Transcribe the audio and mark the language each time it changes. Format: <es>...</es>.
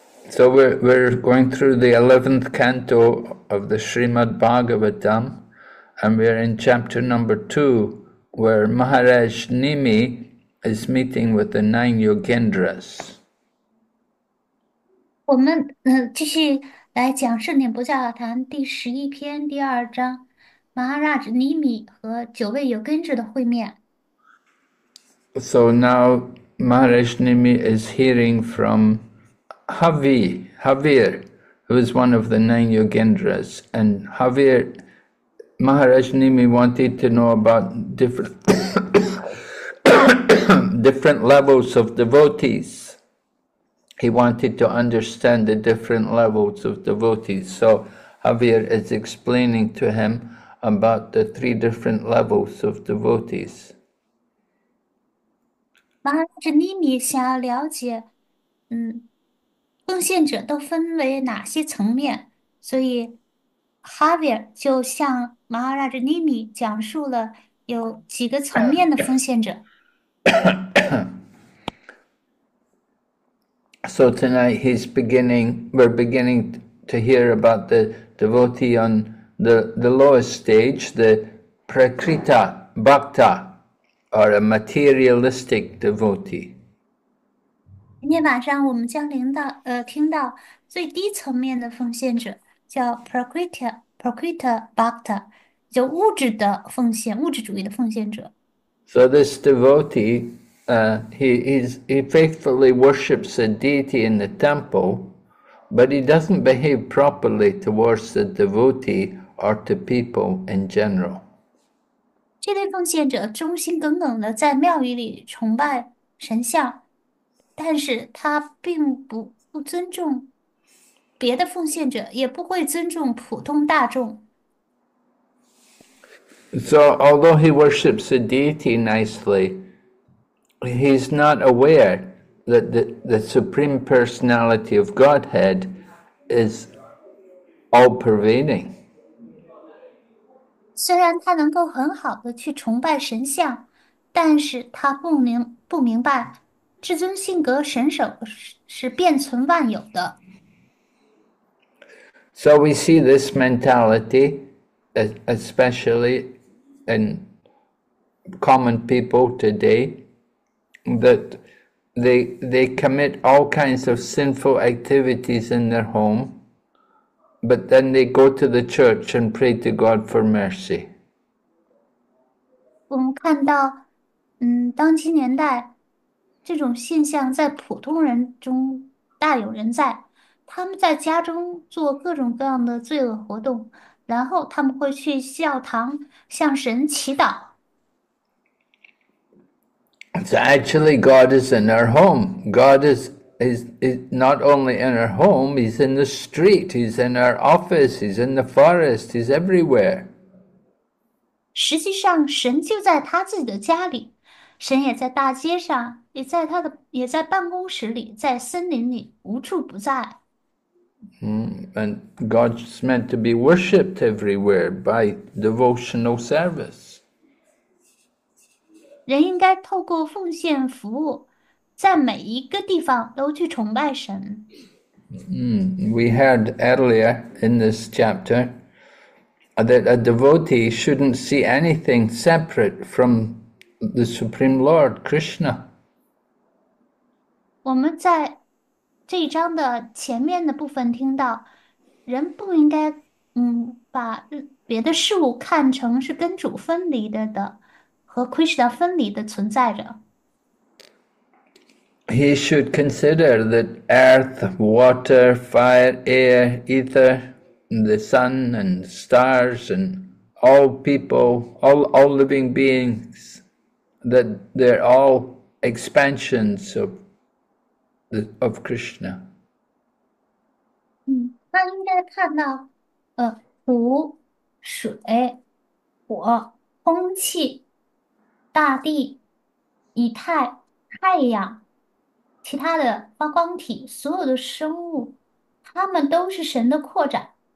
<en>So we're going through the 11th canto of the Srimad Bhagavatam, and we're in chapter number 2, where Maharaj Nimi is meeting with the nine Yogendras.</en> <zh>我们继续来讲《圣典不教要谈》第11篇第二章，马哈拉什尼米和九位有根智的会面。</zh> <en>So now Maharaj Nimi is hearing from Javier, who is one of the nine Yogendras. And Javier, Maharaj Nimi wanted to know about different levels of devotees. He wanted to understand the different levels of devotees. So Javier is explaining to him about the three different levels of devotees.</en> <zh>马哈拉什尼米想要了解，奉献者都分为哪些层面，所以哈维尔就向马哈拉什尼米讲述了有几个层面的奉献者。</zh> <en>So tonight we're beginning to hear about the devotee on the lowest stage, the Prakrita Bhakta, or a materialistic devotee.</en> <zh>今天晚上我们将听到最低层面的奉献者叫 Prakriti Bhakta，就物质的奉献、物质主义的奉献者。</zh> <en>So this devotee, he faithfully worships a deity in the temple, but he doesn't behave properly towards the devotee or to people in general.</en> <zh>这位奉献者忠心耿耿的在庙宇里崇拜神像。但是他并不尊重别的奉献者，也不会尊重普通大众。</zh> <en>So, although he worships a deity nicely, he's not aware that the Supreme Personality of Godhead is all-pervading.</en> <zh>虽然他能够很好的去崇拜神像，但是他不明白。至尊性格神手是遍存万有的。</zh> <en>So, we see this mentality, especially in common people today, that they commit all kinds of sinful activities in their home, but then they go to the church and pray to God for mercy.</en> <zh>我们看到，当今年代。这种现象在普通人中大有人在，他们在家中做各种各样的罪恶活动，然后他们会去教堂向神祈祷。</zh> <en>So actually, God is in our home. God is not only in our home, he's in the street, he's in our office, he's in the forest, he's everywhere.</en> <zh>实际上，神就在他自己的家里。神也在大街上，也在办公室里，在森林里，无处不在。</zh> <en>And God's meant to be worshipped everywhere by devotional service.</en> <zh>人应该透过奉献服务，在每一个地方都去崇拜神。</zh> <en>We heard earlier in this chapter that a devotee shouldn't see anything separate from the Supreme Lord, Krishna.</en> <zh>我们在这一章的前面的部分听到，人不应该把别的事物看成是跟主分离的和 Krishna 分离的存在着。</zh> <en>He should consider that earth, water, fire, air, ether, the sun and stars and all people, all living beings, that they're all expansions of Krishna.</en> <zh>他应该看到，土、水、火、空气、大地、以太、太阳，其他的发光体，所有的生物，它们都是神的扩展。</zh>